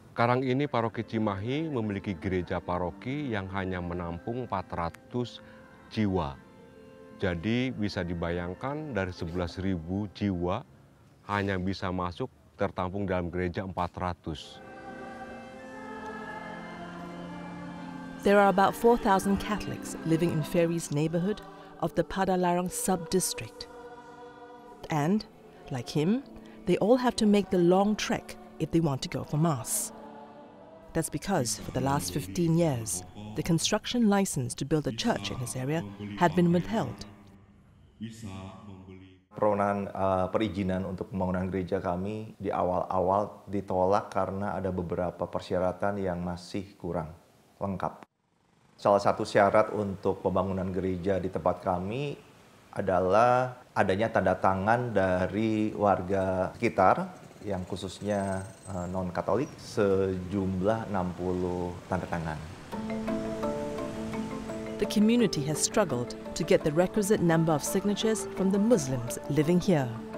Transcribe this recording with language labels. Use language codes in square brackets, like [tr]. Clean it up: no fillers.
[id] Sekarang ini paroki Cimahi memiliki gereja paroki yang hanya menampung 400 jiwa. Jadi bisa dibayangkan dari 11.000 jiwa hanya bisa masuk tertampung dalam gereja 400. [en] There are about 4,000 Catholics living in Ferry's neighborhood of the Padalarang sub-district. And, like him, they all have to make the long trek if they want to go for Mass. That's because for the last 15 years, the construction license to build a church in his area had been withheld. [id] Permohonan perizinan untuk pembangunan gereja kami di awal-awal ditolak karena ada beberapa persyaratan yang masih kurang lengkap. Salah satu syarat untuk pembangunan gereja di tempat kami adalah adanya tanda tangan dari warga sekitar yang khususnya non-Katolik sejumlah 60 tanda tangan. [en] The community has struggled to get the requisite number of signatures from the Muslims living here.